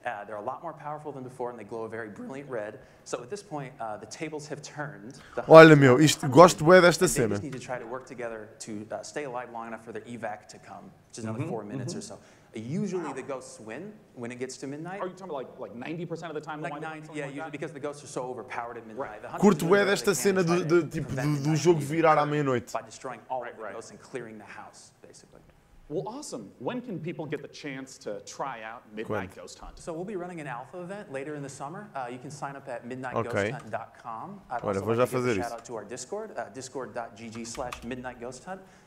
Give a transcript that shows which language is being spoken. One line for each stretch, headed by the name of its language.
English: They're a lot more powerful than before, and they glow a very brilliant red. So at this point, the tables have turned.
Portuguese: Olha, meu, isto, gosto bem desta cena.
English: They just need to try to work together to stay alive long enough for their evac to come, which is another 4 minutes or so. Usually the ghosts win when it gets to midnight. Are you talking about like 90% of the time? Like 90, yeah, usually because the ghosts are so overpowered at midnight. Right.
Portuguese: Curto é desta cena de tipo do jogo virar à meia-noite.
English: By destroying all of the ghosts and clearing the house, basically. Well, awesome. When can people get the chance to try out Midnight Ghost Hunt? So we'll be running an alpha event later in the summer. You can sign up at midnightghosthunt.com.
Portuguese: Olha, vou já fazer isso.
English: Shout out to our Discord, discord.gg/midnightghosthunt.